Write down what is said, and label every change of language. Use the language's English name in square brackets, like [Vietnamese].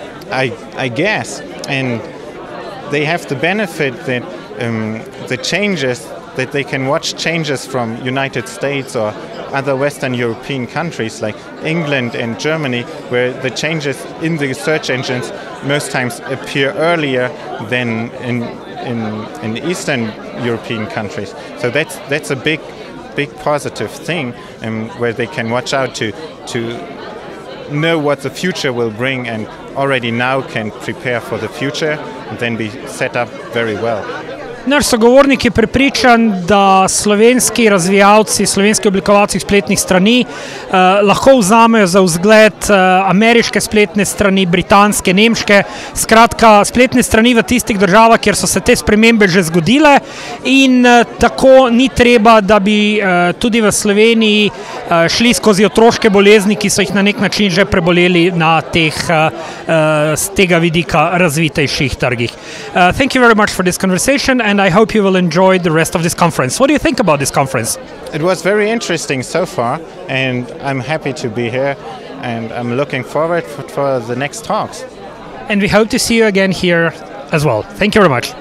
[English] I guess, and they have the benefit that the changes, that they can watch changes from United States or other Western European countries like England and Germany, where the changes in the search engines most times appear earlier than in Eastern European countries. So that's a big positive thing, where they can watch out to know what the future will bring and already now can prepare for the future and then be set up very well. [Slovenian] Naš sogovornik je prepričan, da slovenski razvijalci, slovenski oblikovalci spletnih strani lahko vzamejo za vzgled ameriške spletne strani, britanske, nemške, skratka spletne strani v tistih državah, kjer so se te spremembe že zgodile in tako ni treba, da bi tudi v Sloveniji šli skozi otroške bolezni, ki so jih na nek način že preboleli na teh z tega vidika razvitejših trgih. [English] Thank you very much for this conversation and I hope you will enjoy the rest of this conference. What do you think about this conference? It was very interesting so far and I'm happy to be here and I'm looking forward for the next talks. And we hope to see you again here as well. Thank you very much.